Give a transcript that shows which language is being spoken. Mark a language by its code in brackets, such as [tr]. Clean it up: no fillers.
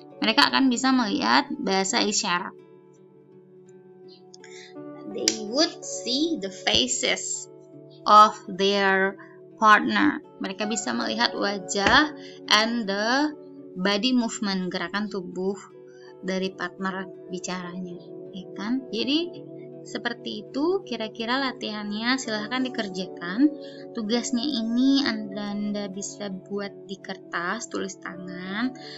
[id] Mereka akan bisa melihat bahasa isyarat. [en] They would see the faces of their partner. [id] Mereka bisa melihat wajah [en] and the body movement, [id] gerakan tubuh dari partner bicaranya. Ya kan? Jadi Seperti itu, kira-kira latihannya silahkan dikerjakan. Tugasnya ini Anda bisa buat di kertas, tulis tangan.